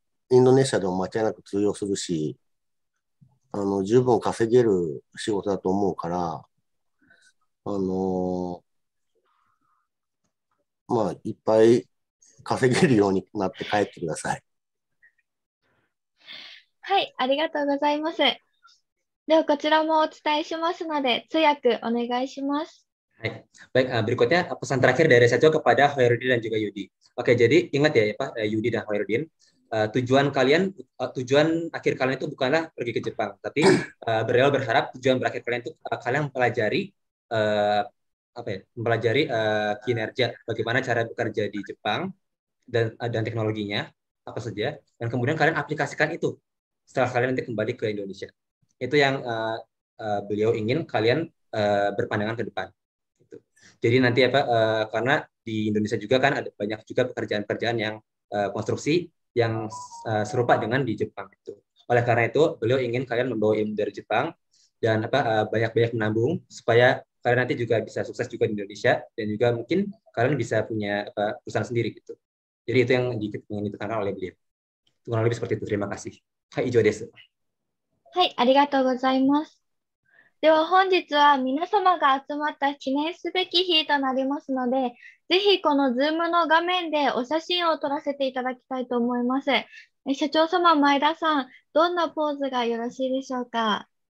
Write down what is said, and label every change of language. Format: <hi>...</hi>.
<ja>インドネシアでも間違いなく通用するし、十分稼げる仕事だと思うから、まあ、いっぱい稼げるようになって帰ってください。はい、ありがとうございます。では、こちらもお伝えしますので、通訳お願いします。</ja> <id>Baik, baik berikutnya pesan terakhir dari Sacho kepada Khairuddin dan juga Yudi. Oke, jadi ingat ya Pak, Yudi dan Khairuddin, tujuan kalian, tujuan akhir kalian itu bukanlah pergi ke Jepang, tapi berharap tujuan berakhir kalian itu kalian mempelajari apa ya, mempelajari kinerja, bagaimana cara bekerja di Jepang dan teknologinya apa saja, dan kemudian kalian aplikasikan itu setelah kalian nanti kembali ke Indonesia. Itu yang beliau ingin kalian berpandangan ke depan. Gitu. Jadi nanti apa, karena di Indonesia juga kan ada banyak juga pekerjaan-pekerjaan yang konstruksi yang serupa dengan di Jepang itu. Oleh karena itu beliau ingin kalian membawa ilmu dari Jepang dan apa banyak-banyak menabung supaya kalian nanti juga bisa sukses juga di Indonesia dan juga mungkin kalian bisa punya apa, perusahaan sendiri gitu. Jadi itu yang ditekankan oleh beliau. Kurang lebih seperti itu. Terima kasih.</id> <ja>Hai, ijo desu. Hai, arigatou gozaimasu. では本日は皆様が集まった記念すべき日となりますので、ぜひこの Zoom の画面でお写真を撮らせていただきたいと思います。社長様、前田さん、どんなポーズがよろしいでしょうか？</ja>